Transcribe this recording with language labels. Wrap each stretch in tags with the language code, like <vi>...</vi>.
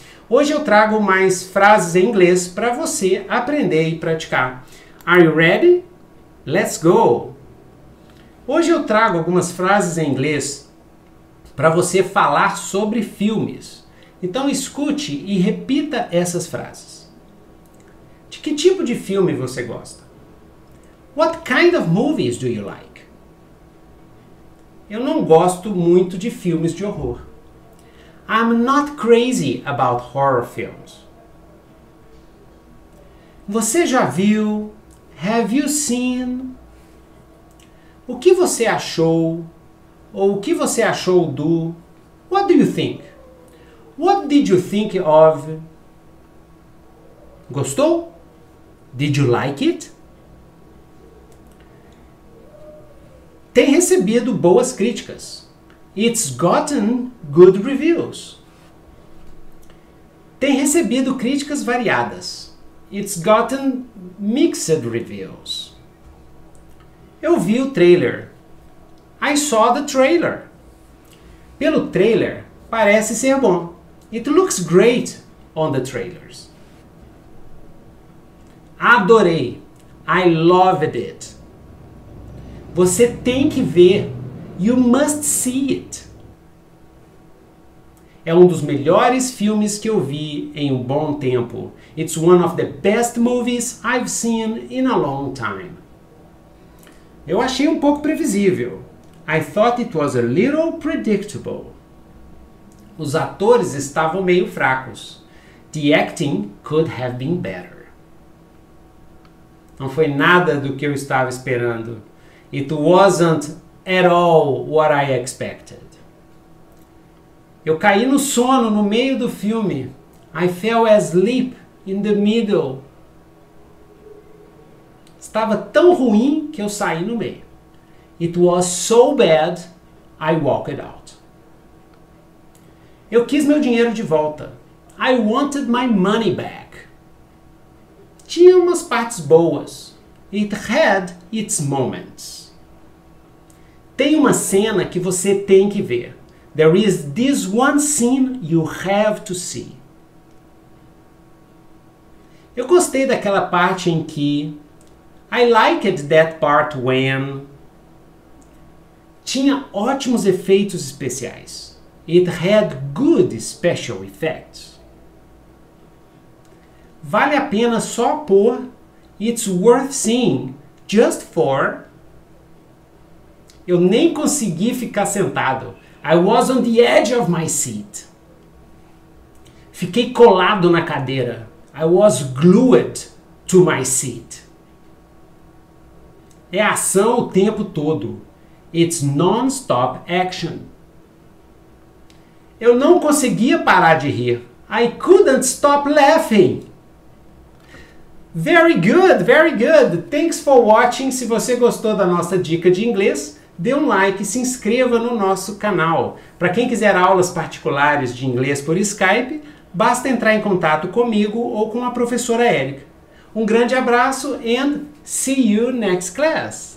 <pt>Hoje eu trago mais frases em inglês para você aprender e praticar.</pt> <en>Are you ready? Let's go!</en> <pt>Hoje eu trago algumas frases em inglês para você falar sobre filmes. Então escute e repita essas frases. De que tipo de filme você gosta?</pt> <en>What kind of movies do you like?</en> <pt>Eu não gosto muito de filmes de horror.</pt> <en>I'm not crazy about horror films.</en> <pt>Você já viu?</pt> <en>Have you seen?</en> <pt>O que você achou? Ou o que você achou do?</pt> <en>What do you think? What did you think of?</en> <pt>Gostou?</pt> <en>Did you like it?</en> <pt>Tem recebido boas críticas.</pt> <en>It's gotten good reviews.</en> <pt>Tem recebido críticas variadas.</pt> <en>It's gotten mixed reviews.</en> <pt>Eu vi o trailer.</pt> <en>I saw the trailer.</en> <pt>Pelo trailer, parece ser bom.</pt> <en>It looks great on the trailers.</en> <pt>Adorei.</pt> <en>I loved it.</en> <pt>Você tem que ver.</pt> <en>You must see it.</en> <pt>É um dos melhores filmes que eu vi em um bom tempo.</pt> <en>It's one of the best movies I've seen in a long time.</en> <pt>Eu achei um pouco previsível.</pt> <en>I thought it was a little predictable.</en> <pt>Os atores estavam meio fracos.</pt> <en>The acting could have been better.</en> <pt>Não foi nada do que eu estava esperando.</pt> <en>It wasn't at all what I expected.</en> <pt>Eu caí no sono no meio do filme.</pt> <en>I fell asleep in the middle.</en> <pt>Estava tão ruim que eu saí no meio.</pt> <en>It was so bad, I walked out.</en> <pt>Eu quis meu dinheiro de volta.</pt> <en>I wanted my money back.</en> <pt>Tinha umas partes boas.</pt> <en>It had its moments.</en> <pt>Tem uma cena que você tem que ver.</pt> <en>There is this one scene you have to see.</en> <pt>Eu gostei daquela parte em que...</pt> <en>I liked that part when...</en> <pt>Tinha ótimos efeitos especiais.</pt> <en>It had good special effects.</en> <pt>Vale a pena só por...</pt> <en>It's worth seeing just for...</en> <pt>Eu nem consegui ficar sentado.</pt> <en>I was on the edge of my seat.</en> <pt>Fiquei colado na cadeira.</pt> <en>I was glued to my seat.</en> <pt>É ação o tempo todo.</pt> <en>It's non-stop action.</en> <pt>Eu não conseguia parar de rir.</pt> <en>I couldn't stop laughing. Very good, very good. Thanks for watching.</en> <pt>Se você gostou da nossa dica de inglês, dê um like e se inscreva no nosso canal. Para quem quiser aulas particulares de inglês por Skype, basta entrar em contato comigo ou com a professora Erika. Um grande abraço</pt> <en>and see you next class.</en>